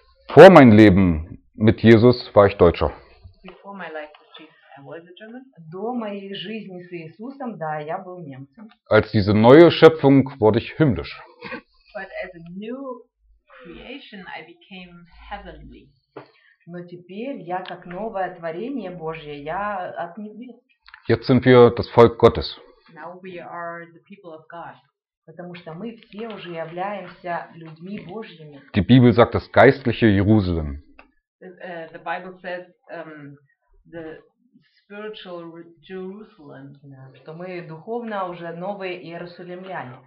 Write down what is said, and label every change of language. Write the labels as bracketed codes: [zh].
[de] Vor mein Leben mit Jesus war ich Deutscher. [en] Before my life with Jesus, I was a German. [ru] До моей жизни с Иисусом, да, я был немцем. [de] Als diese neue Schöpfung wurde ich himmlisch. [en] But as a new creation, I became heavenly. [ru] Но теперь я как новое творение Божье, я от небес. [de] Jetzt sind wir das Volk Gottes. [en] Now we are the people of God. [ru] Потому что мы все уже являемся людьми Божьими. [de] Die Bibel sagt das geistliche Jerusalem. [en] The Bible says the spiritual Jerusalem. [ru] Что мы духовно уже новые иерусалимляне.